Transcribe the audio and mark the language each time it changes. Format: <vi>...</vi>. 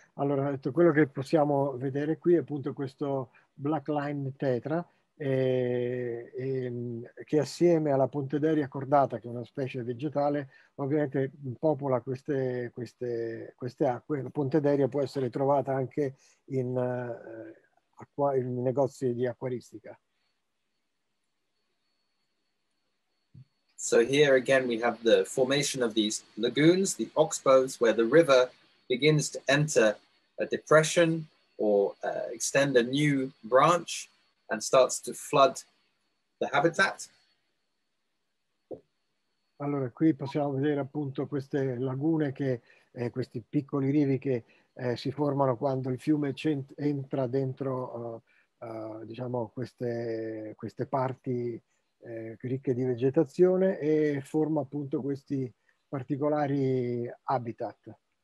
<it>Allora, detto, quello che possiamo vedere qui è appunto questo black line tetra che assieme alla Pontederia cordata, che è una specie vegetale, ovviamente popola queste acque. La Pontederia può essere trovata anche in negozi di acquaristica.</it> <en>So here again we have the formation of these lagoons, the oxbows, where the river begins to enter a depression or extend a new branch and starts to flood the habitat.</en> <it>Allora, qui possiamo vedere appunto queste lagune, questi piccoli rivi che si formano quando il fiume entra dentro, diciamo, queste parti ricche di vegetazione e forma appunto questi particolari habitat.</it>